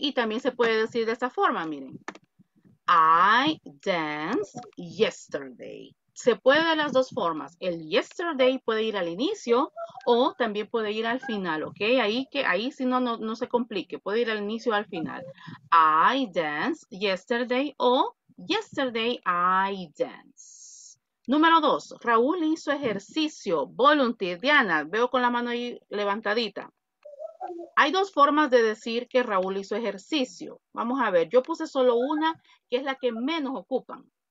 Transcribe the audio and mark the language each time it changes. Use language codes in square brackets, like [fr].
[es] Y también se puede decir de esta forma, miren. I danced yesterday. Se puede de las dos formas. El yesterday puede ir al inicio o también puede ir al final, ¿ok? Ahí si no, no se complique. Puede ir al inicio o al final. [en] I danced yesterday o yesterday I danced. [es] Número dos. Raúl hizo ejercicio. Volunteer. Diana, veo con la mano ahí levantadita. Hay dos formas de decir que Raúl hizo ejercicio. Vamos a ver. Yo puse solo una, que es la que menos ocupan.